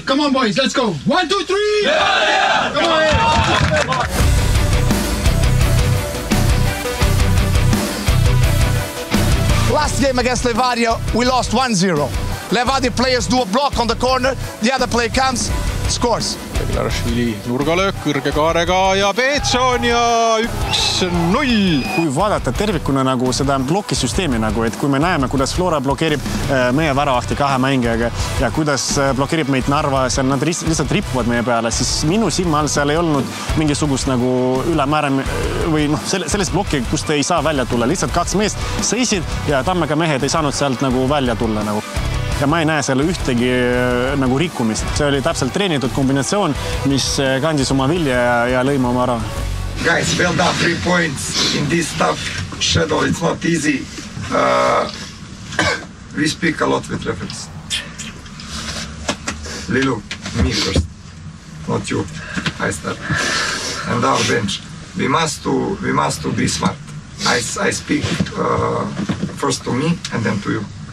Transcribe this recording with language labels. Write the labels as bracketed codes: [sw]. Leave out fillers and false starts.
[en] Come on, boys, let's go. 1, 2, 3! Yeah! Come on! Last game against Levadia, we lost 1-0. Levadia players do a block on the corner, the other player comes, scores. [et] Klarašvili nurgalöök kõrge kaarega ja Peetson ja 1-0. Kui vaadata tervikuna nagu seda blokisüsteemi nagu, et kui me näeme, kuidas Flora blokeerib meie väravahti kahe mängijaga ja kuidas blokeerib meid Narva ja seal nad lihtsalt rippuvad meie peale, siis minu silmal seal ei olnud mingisugust nagu ülemäärem või noh, sellest bloki, kus te ei saa välja tulla. Lihtsalt kaks meest seisid ja Tammega mehed ei saanud sealt nagu välja tulla nagu. Ja ma ei näe selle ühtegi nagu rikkumist. See oli täpselt treenitud kombinatsioon, mis kandis oma vilja ja lõima oma ära. [en] Guys, well done, 3 points in this tough shadow, it's not easy. We speak a lot with reference. Liliu, me first, not you, I start. And our bench, we must be smart. I speak first to me and then to you.